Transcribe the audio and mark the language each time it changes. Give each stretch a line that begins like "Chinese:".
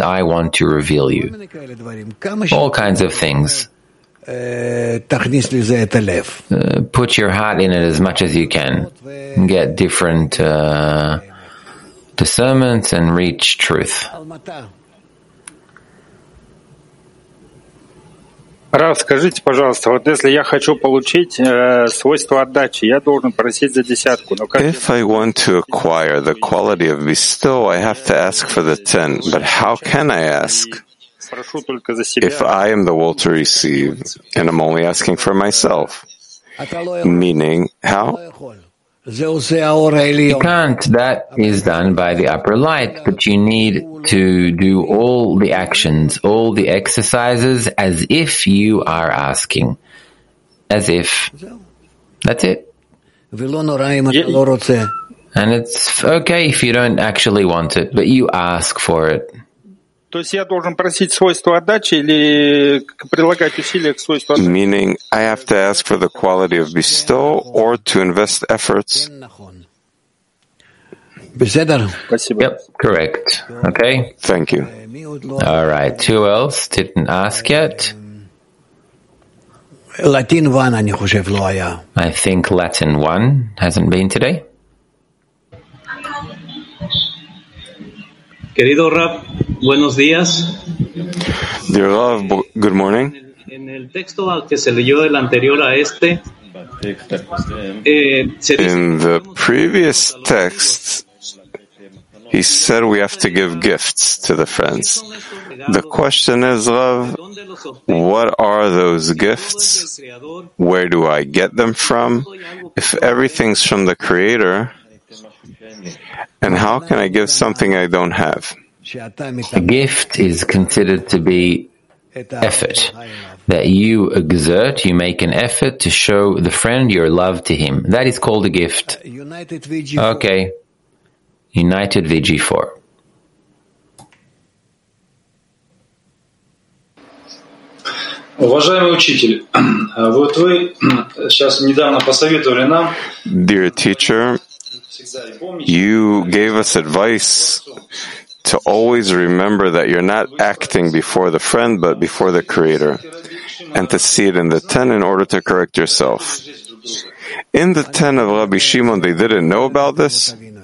English: I want to reveal you. All kinds of things. Put your heart in it as much as you can. Get different discernments and reach truth.
Russian: Рав, скажите, пожалуйста, вот если я хочу получить свойство отдачи, я должен просить за десятку. Но как?
English: If I want to acquire the quality of bestow, I have to ask for the ten. But how can I ask?
Russian: Прошу только за себя.
English: If I am the will to receive, and I'm only asking for myself, meaning how? You can't. That is done by the upper light, but you need to do all the actions, all the exercises, as if you are asking. As if. That's it. Yeah. And it's okay if you don't actually want it, but you ask for it.
Russian: То есть я должен просить свойство отдачи или прилагать усилия к свойству отдачи?
English: Meaning, I have to ask for the quality of bestow or to invest efforts.
Russian: Спасибо.
English: Yep, correct. Okay. Thank you. All right. Who else didn't ask yet? Latin one,
Hebrew: אני חושב, לא היה.
English: I think Latin one hasn't been today.
Spanish: Querido Rab, buenos días.
English: Dear Rab, good morning.
Spanish: En el texto que se leyó del anterior a este,
English: In the previous text, he said we have to give gifts to the friends. The question is, Rav, what are those gifts? Where do I get them from? If everything's from the Creator, and how can I give something I don't have? A gift is considered to be effort, that you exert, you make an effort to show the friend your love to him. That is called a gift. Okay. United VG4.
Russian: Уважаемый учитель, вот вы сейчас недавно посоветовали нам...
English: Dear teacher, you gave us advice to always remember that you're not acting before the friend, but before the Creator, and to see it in the ten in order to correct yourself. In the ten of Rabbi Shimon, they didn't know about this?